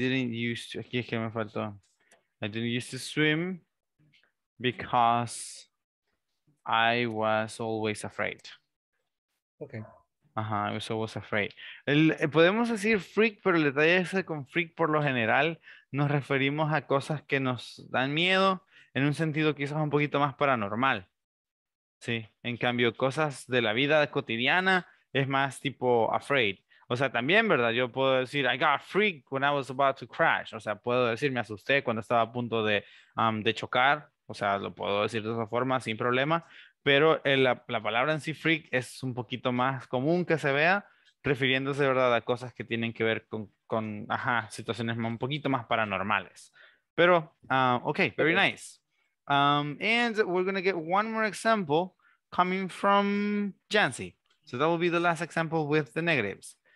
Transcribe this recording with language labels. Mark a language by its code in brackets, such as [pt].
[en] I didn't used to swim because I was always afraid. Okay. Ajá, I was always afraid. [es] Podemos decir freak, pero el detalle es que con freak por lo general nos referimos a cosas que nos dan miedo en un sentido quizás un poquito más paranormal. Sí, en cambio cosas de la vida cotidiana es más tipo afraid. O sea, también, ¿verdad? Yo puedo decir, [en] I got freaked when I was about to crash. [es] O sea, puedo decir, me asusté cuando estaba a punto de chocar. O sea, lo puedo decir de esa forma, sin problema. Pero la palabra en sí, freak, es un poquito más común que se vea, refiriéndose, ¿verdad?, a cosas que tienen que ver con situaciones un poquito más paranormales. Pero, [en] okay, very nice. And we're going to get one more example coming from Jancy. So that will be the last example with the negatives.